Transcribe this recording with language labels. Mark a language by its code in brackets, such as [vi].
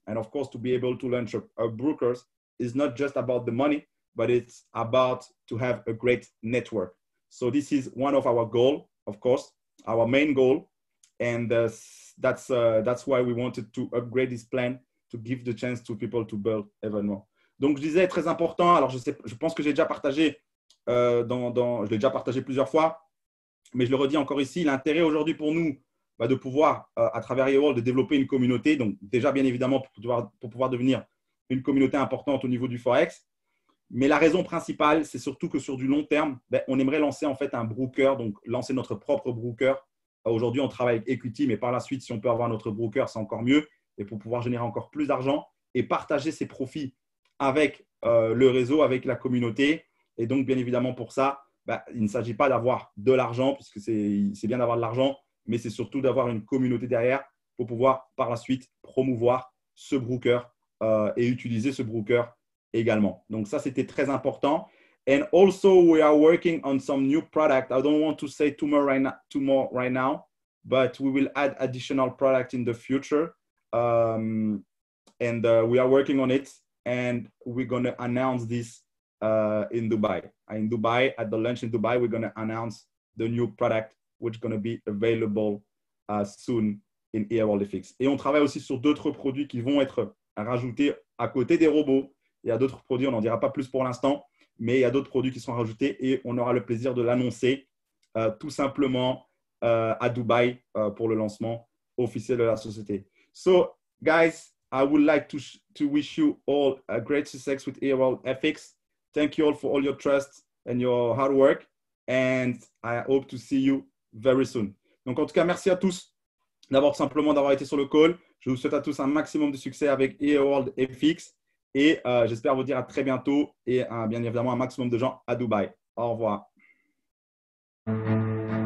[en] And of course, to be able to launch a brokers is not just about the money, but it's about to have a great network. So this is one of our goal, of course, our main goal. And that's why we wanted to upgrade this plan to give the chance to people to build even more. [fr] Donc, je disais, très important. Alors, je pense que j'ai déjà partagé, je l'ai déjà partagé plusieurs fois, mais je le redis encore ici, l'intérêt aujourd'hui pour nous, bah, de pouvoir, à travers Yewall, de développer une communauté. Donc, déjà, bien évidemment, pour pouvoir devenir une communauté importante au niveau du Forex. Mais la raison principale, c'est surtout que sur du long terme, bah, on aimerait lancer en fait un broker, donc lancer notre propre broker. Aujourd'hui, on travaille avec Equity, mais par la suite, si on peut avoir notre broker, c'est encore mieux. Et pour pouvoir générer encore plus d'argent et partager ses profits avec le réseau, avec la communauté. Et donc, bien évidemment, pour ça, bah, il ne s'agit pas d'avoir de l'argent, puisque c'est bien d'avoir de l'argent, mais c'est surtout d'avoir une communauté derrière pour pouvoir par la suite promouvoir ce broker et utiliser ce broker également. Donc, ça, c'était très important. [en] And also, we are working on some new product. I don't want to say too much right now, but we will add additional product in the future. And we are working on it, and we're going to announce this in Dubai. In Dubai, at the launch in Dubai, we're going to announce the new product, which is going to be available soon in Air Olympics. [fr] Et on travaille aussi sur d'autres produits qui vont être rajoutés à côté des robots. Il y a d'autres produits, on n'en dira pas plus pour l'instant, mais il y a d'autres produits qui sont rajoutés et on aura le plaisir de l'annoncer tout simplement à Dubaï pour le lancement officiel de la société. [en] So, guys, I would like to wish you all a great success with AirWorldFX. Thank you all for all your trust and your hard work. And I hope to see you very soon. [fr] Donc, en tout cas, merci à tous d'avoir simplement d'avoir été sur le call. Je vous souhaite à tous un maximum de succès avec AirWorldFX. Et j'espère vous dire à très bientôt et bien évidemment un maximum de gens à Dubaï. Au revoir.